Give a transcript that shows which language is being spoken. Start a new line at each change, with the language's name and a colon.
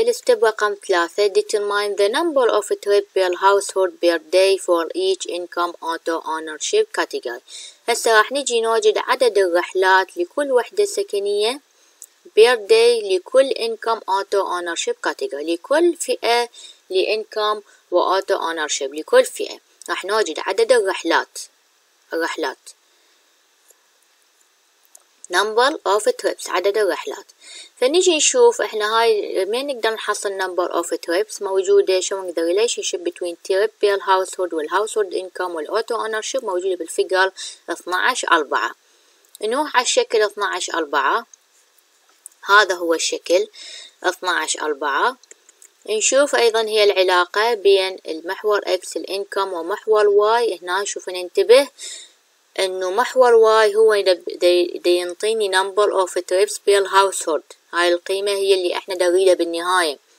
Arabic: الستيب رقم 3
English: determine the number of trip per household per day for each income auto ownership category.
Arabic: هسا راح نجي نوجد عدد الرحلات لكل وحدة سكنية per day لكل
English: income auto ownership category،
Arabic: لكل فئة لincome و auto ownership، لكل فئة راح نوجد عدد الرحلات
English: number of trips عدد الرحلات.
Arabic: فنيجي نشوف احنا هاي مين نقدر نحصل
English: number of trips موجودة showing the relationship between trip per household والhousehold income والauto ownership
Arabic: موجودة بالفيجر 12-4. نروح على الشكل 12-4 هذا هو الشكل 12-4 نشوف ايضا هي العلاقة بين المحور X الانكم ومحور Y. هنا شوف ننتبه انه محور Y هو دي ينطيني
English: number of trips per household،
Arabic: هاي القيمة هي اللي احنا دريده بالنهاية.